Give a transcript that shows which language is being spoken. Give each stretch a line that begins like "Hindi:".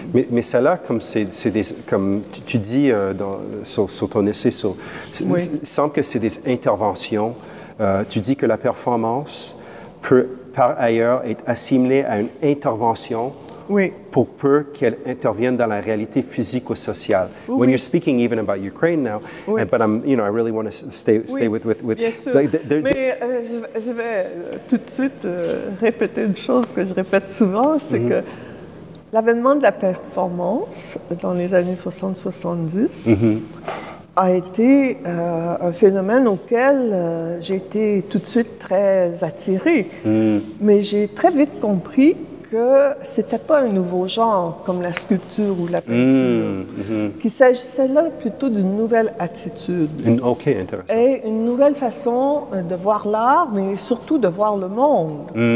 French: Mais ça là, comme comme tu dis sur ton essai, semble que c'est des interventions. Tu dis que la performance peut par ailleurs être assimilée à une intervention. Pour peu qu'elle intervienne dans la réalité physique ou sociale.
English: When you're speaking even about Ukraine now, but I'm, you know, I really want to stay with.
French: Je vais tout de suite répéter une chose que je répète souvent, c'est que l'avènement de la performance dans les années 60-70 a été un phénomène auquel j'ai été tout de suite très attirée, mais j'ai très vite compris que c'était pas un nouveau genre comme la sculpture ou la peinture, qu'il s'agissait là plutôt d'une nouvelle attitude et une nouvelle façon de voir l'art, mais surtout de voir le monde.